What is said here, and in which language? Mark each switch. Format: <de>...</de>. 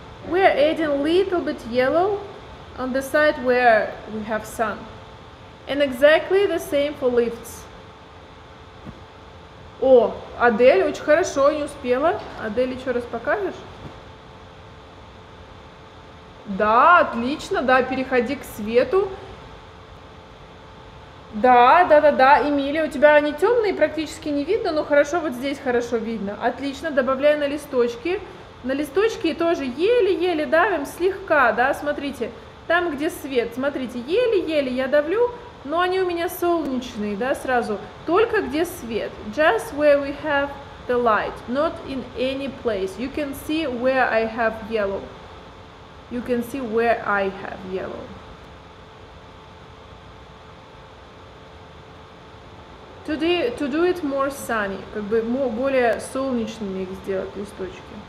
<en>We are adding little bit yellow on the side where we have sun. And exactly the same for lifts.</en> <ru>О, Адель, очень хорошо, не успела. Адель, еще раз покажешь? Да, отлично, да, переходи к свету. Да, да, да, да, Эмилия, у тебя они темные, практически не видно, но хорошо, вот здесь хорошо видно. Отлично, добавляю на листочки. На листочки тоже еле-еле давим, слегка, да, смотрите, там, где свет, смотрите, еле-еле я давлю, но они у меня солнечные, да, сразу. Только где свет,</ru> <en>just where we have the light, not in any place, you can see where I have yellow. You can see where I have yellow. To do it more sunny,</en> <ru>как бы более солнечными их сделать листочки.</ru>